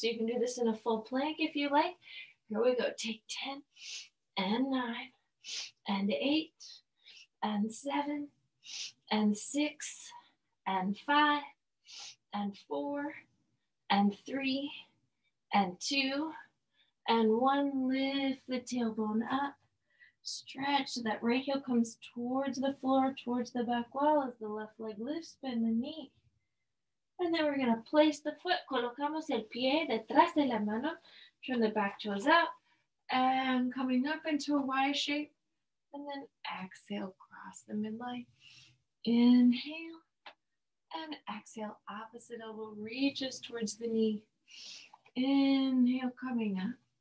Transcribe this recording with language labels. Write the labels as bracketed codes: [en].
[en] So you can do this in a full plank if you like. Here we go. Take 10 and 9 and 8 and 7 and 6 and 5 and 4 and 3 and 2 and 1. Lift the tailbone up. Stretch so that right heel comes towards the floor, towards the back wall as the left leg lifts, bend the knee. And then we're going to place the foot. [es] Colocamos el pie detrás de la mano. [en] Turn the back toes up and coming up into a Y shape. And then exhale, cross the midline. Inhale and exhale. Opposite elbow reaches towards the knee. Inhale, coming up.